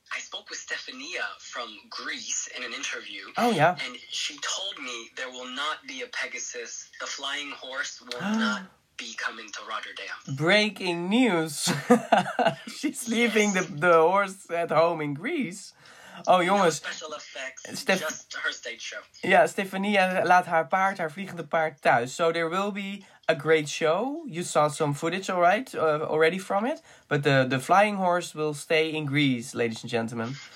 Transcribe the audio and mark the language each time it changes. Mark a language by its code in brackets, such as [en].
[en] I spoke with Stefania from Greece in an interview. Oh, yeah. And she told me there will not be a Pegasus. The flying horse will not be coming to Rotterdam. Breaking news. She's leaving the horse at home in Greece. [nl] Oh, jongens. [en] No special effects, just her stage show. [nl] Yeah, Stefania laat haar paard, haar vliegende paard, thuis. [en] So there will be a great show. You saw some footage, all right, already from it. But the flying horse will stay in Greece, ladies and gentlemen.